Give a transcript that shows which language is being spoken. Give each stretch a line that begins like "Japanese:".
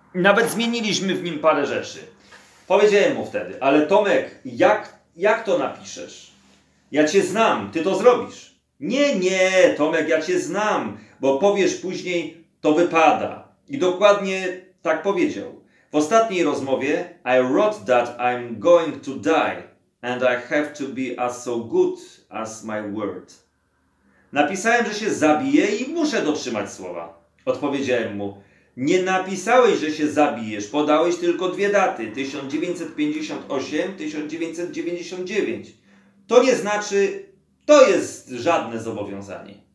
Polish: Nawet zmieniliśmy w nim parę rzeczy. Powiedziałem mu wtedy, ale Tomek, jak to napiszesz? Ja cię znam, ty to zrobisz. Nie, nie, Tomek, ja cię znam, bo powiesz później, to wypada. I dokładnie tak powiedział. W ostatniej rozmowie
English: I wrote that I'm going to die. And I have to be as so good as my word.
Polish: Napisałem, że się zabiję i muszę dotrzymać słowa. Odpowiedziałem mu. Nie napisałeś, że się zabijesz. Podałeś tylko dwie daty. 1958-1999. To nie znaczy, to jest żadne zobowiązanie.